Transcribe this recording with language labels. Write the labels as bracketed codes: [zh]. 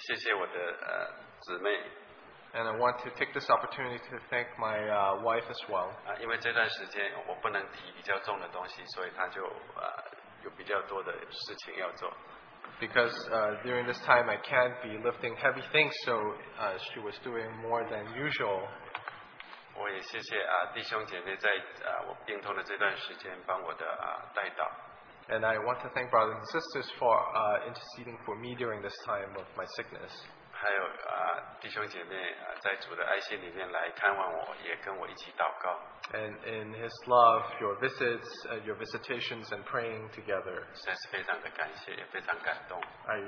[zh] 我要借这个机会也谢谢我的姊妹。And [en] I want to take this opportunity to thank my wife as well. [zh] 因为这段时间我不能提比较重的东西，所以她就有比较多的事情要做。 [en] Because during this time I can't be lifting heavy things, so she was doing more than usual. [zh] 我也谢谢弟兄姐妹在我病痛的这段时间帮我的代祷。 [en] And I want to thank brothers and sisters for interceding for me during this time of my sickness. [zh] 还有弟兄姐妹在主的爱心里面来看望我，也跟我一起祷告。 [en] And in His love, your visits, your visitations, and praying together. [zh] 实在是非常的感谢，也非常感动。I